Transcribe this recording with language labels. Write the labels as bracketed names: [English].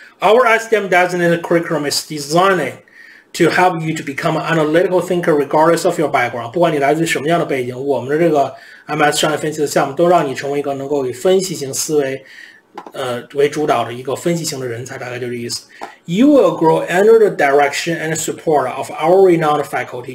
[English] Our SDM designated curriculum is designed to help you to become an analytical thinker regardless of your background. [Chinese] 不管你来自什么样的背景，我们的这个 MS 商业分析的项目都让你成为一个能够以分析型思维为主导的一个分析型的人才，大概就是意思。 [English] You will grow under the direction and support of our renowned faculty.